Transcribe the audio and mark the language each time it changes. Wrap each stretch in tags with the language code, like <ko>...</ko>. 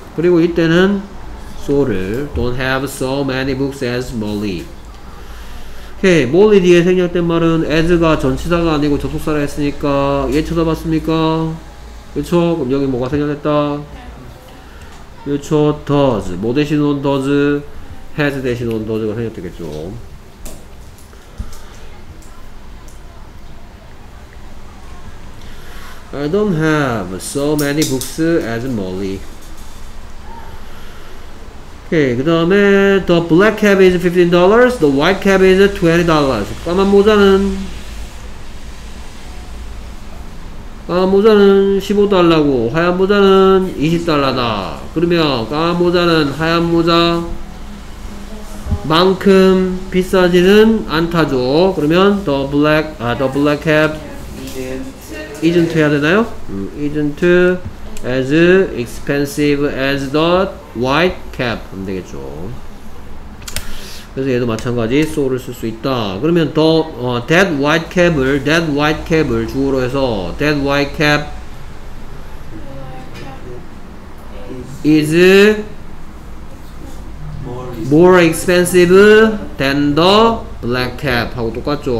<ko>그리고 이때는</ko> <en>so를 don't have so many books as Molly.</en> <ko>오케이. Molly 뒤에 생략된 말은 as가 전치사가 아니고 접속사라 했으니까 얘 쳐다봤습니까? 그쵸? 그럼 여기 뭐가 생략됐다? 그쵸? does. 뭐 대신 on does? has 대신 on does가 생략되겠죠.</ko> <en>'I don't have so many books as Molly.'</en> <ko>오케이. 그 다음에</ko> <en>'The black cap is $15. The white cap is $20.'</en> <ko>까만 모자는 까만 모자는 $15고 하얀 모자는 $20다. 그러면 까만 모자는 하얀 모자만큼 비싸지는 않다죠. 그러면</ko> <en>the black cap isn't</en> <ko>해야 되나요?</ko> <en>isn't as expensive as the white cap</en> <ko>하면 되겠죠. 그래서 얘도 마찬가지 so를 쓸 수 있다. 그러면</ko> <en>that white cap을 주어로 해서 that white cap is more expensive than the black cap</en> <ko>하고 똑같죠.</ko>